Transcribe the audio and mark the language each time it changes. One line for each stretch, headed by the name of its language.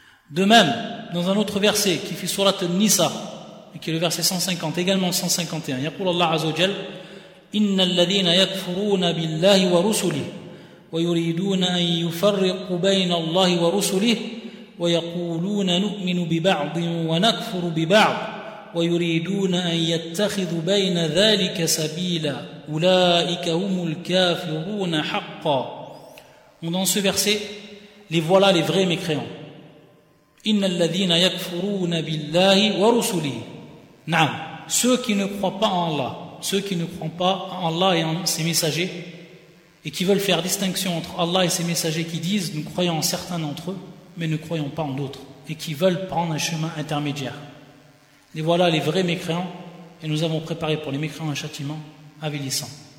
French: De même, dans un autre verset qui fait surat al-Nisa, qui est le verset 150, également 151,
Arabic: yaqul Allah azza wa jalla innal ladina yakfuruna billahi wa rusuli wa yuriduna an yufarriqu bayna Allahi wa rusuli ويقولون نؤمن ببعض ونكفر ببعض ويريدون أن يتخذوا بين ذلك سبيلا أولئك هم الكافرون حقا.
French: Dans ce verset, les voilà les vrais mécréants.
Arabic: إن الذين يكفرون بالله ورسله. نعم.
French: Ceux qui ne croient pas en Allah, ceux qui ne croient pas en Allah et en ses messagers, et qui veulent faire distinction entre Allah et ses messagers, qui disent nous croyons en certains d'entre eux mais ne croyons pas en d'autres, et qui veulent prendre un chemin intermédiaire. Les voilà les vrais mécréants, et nous avons préparé pour les mécréants un châtiment avilissant.